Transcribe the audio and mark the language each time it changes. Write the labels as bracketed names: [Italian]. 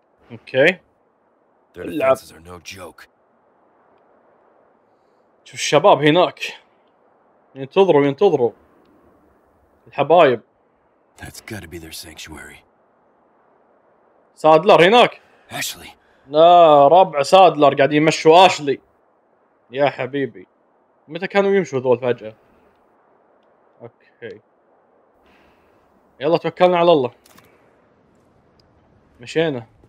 [Arabic] اوكي لا. شوف الشباب هناك ينتظروا الحبايب. [English] That's gotta be their sanctuary. [Arabic] سادلر هناك. Ashley. لا ربع سادلر قاعد يمشوا أشلي. يا حبيبي. متى كانوا يمشوا ذول فجأة؟ أوكي. يلا توكلنا على الله. مشينا.